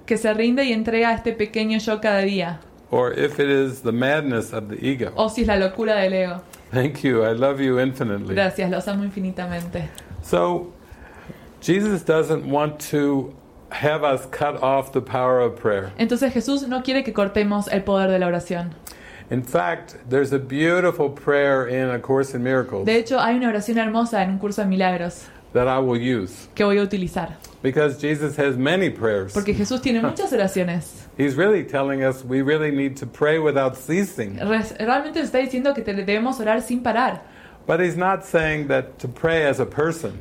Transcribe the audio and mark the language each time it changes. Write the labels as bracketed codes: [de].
[es] Que se rinde y entrega a este pequeño yo cada día. [en] Or if it is the madness of the ego. [es] O si es la locura del ego. [en] Thank you. I love you infinitely. [es] Gracias. Los amo infinitamente. [en] So Jesus doesn't want to have us cut off the power of prayer. [es] Entonces Jesús no quiere que cortemos el poder de la oración. [en] In fact, there's a beautiful prayer in A Course in Miracles. [es] De hecho, hay una oración hermosa en un curso de milagros. [en] That I will use. [es] Que voy a utilizar. [en] Because Jesus has many prayers. [es] Porque Jesús tiene muchas oraciones. [en] He's really telling us we really need to pray without ceasing. [es] Realmente está diciendo que debemos orar sin parar. [en] But he's not saying that to pray as a person.